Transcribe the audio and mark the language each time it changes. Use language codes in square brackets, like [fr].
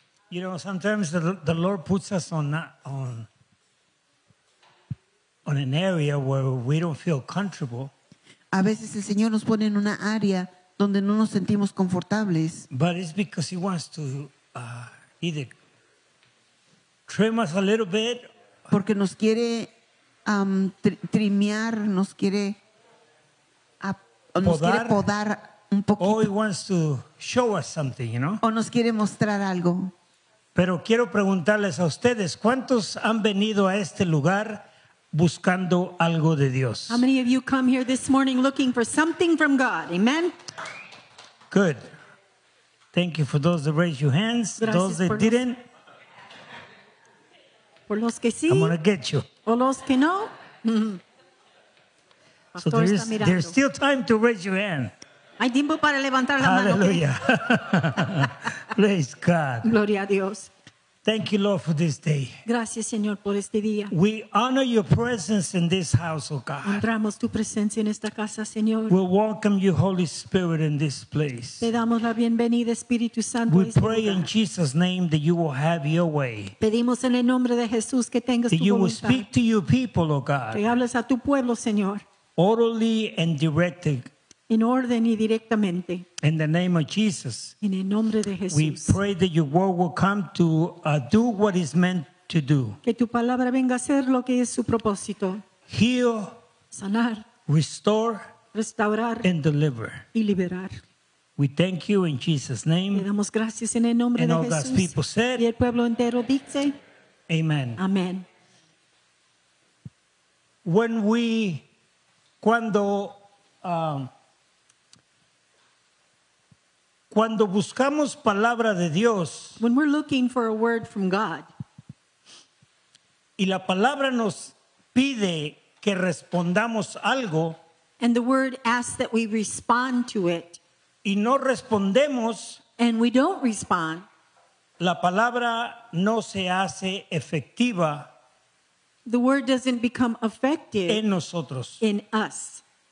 [en] You know, sometimes the Lord puts us on an area where we don't feel comfortable. [es] A veces el Señor nos pone en una área donde no nos sentimos confortables. [en] But it's because he wants to either trim us a little bit. [es] Porque nos quiere trimear, nos quiere podar un poquito. [en] Or he wants to show us something, you know? [es] O nos quiere mostrar algo. Pero quiero preguntarles a ustedes, ¿cuántos han venido a este lugar buscando algo de Dios? [en] How many of you come here this morning looking for something from God? Amen. Good. Thank you for those that raised your hands. [es] Gracias [en] those that didn't. [es] Por los que sí, [en] I'm going to get you. [es] O los que no. [en] So there's still time to raise your hand. [es] Hay tiempo para levantar la mano. [en] Hallelujah. Praise God. [es] Gloria a Dios. [en] Thank you, Lord, for this day. [es] Gracias, Señor, por este día. [en] We honor your presence in this house, oh God. [es] Honramos tu presencia en esta casa, Señor. [en] We welcome you, Holy Spirit, in this place. [es] Te damos la bienvenida, Espíritu Santo. [en] We pray in Jesus' name that you will have your way. [es] Pedimos en el nombre de Jesús que tengas tu voluntad. [en] That you will speak to your people, oh God. [es] Que hables a tu pueblo, Señor. [en] Orally and directly. [es] En orden y directamente. [en] In the name of Jesus. [es] En el nombre de Jesús. [en] We pray that your word will come to do what is meant to do. [es] Que tu palabra venga a hacer lo que es su propósito. [en] Heal. [es] Sanar. [en] Restore. [es] Restaurar. [en] And deliver. [es] Y liberar. [en] We thank you in Jesus' name. [es] Le damos gracias en el nombre [en] and [es] de [en] all [es] Jesús. [en] God's people said, [es] y el pueblo entero dice. [en] Amen. [es] Amen. [en] When we, [es] cuando, cuando buscamos palabra de Dios, [en] when we're looking for a word from God, [es] y la palabra nos pide que respondamos algo, [en] and the word asks that we respond to it, [es] y no respondemos, [en] and we don't respond, [es] la palabra no se hace efectiva, [en] the word doesn't become effective [es] en nosotros, [en] in us.